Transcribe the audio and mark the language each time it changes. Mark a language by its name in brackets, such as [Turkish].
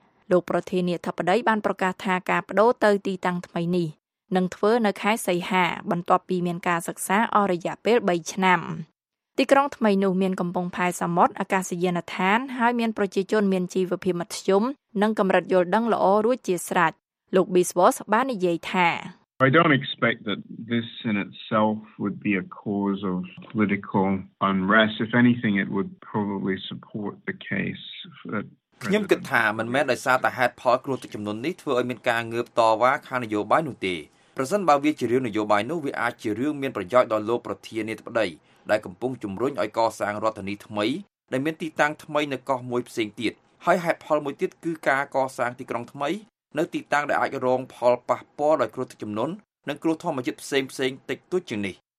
[Khmer] លោកប្រធានាធិបតីបានប្រកាសថាការបដូរទៅទីតាំងថ្មីនេះនឹងធ្វើនៅខែសីហាបន្ទាប់ពីមានការសិក្សាអស់រយៈពេល3ឆ្នាំទីក្រុងថ្មីនោះមានកំពង់ផែសមុទ្រអាកាសយានដ្ឋានហើយមានប្រជាជនមានជីវភាពមធ្យមនិងកម្រិតយល់ដឹងល្អរួចជាស្រេចលោកប៊ីស្វ័សបាននិយាយថា [English] I don't expect that this in itself would be a cause of political unrest. If anything, it would probably support the case. [Khmer] ខ្ញុំគិតថាមិនមែនដោយសារតែហេតុផលគ្រោះទឹកចំនួននេះធ្វើឲ្យមានការងើបតវ៉ាខាងនយោបាយនោះទេ។ប្រសិនបើវាជារឿងនយោបាយនោះវាអាចជារឿងមានប្រយោជន៍ដល់លោកប្រធានាធិបតីដែលកំពុងជំរុញឲ្យកសាងរដ្ឋាភិបាលថ្មីដែលមានទីតាំងថ្មីនៅកោះមួយផ្សេងទៀត។ហើយហេតុផលមួយទៀតគឺការកសាងទីក្រុងថ្មីនៅទីតាំងដែលអាចរងផលប៉ះពាល់ដោយគ្រោះទឹកជំនន់និងគ្រោះធម្មជាតិផ្សេងផ្សេងតិចតួចជាងនេះ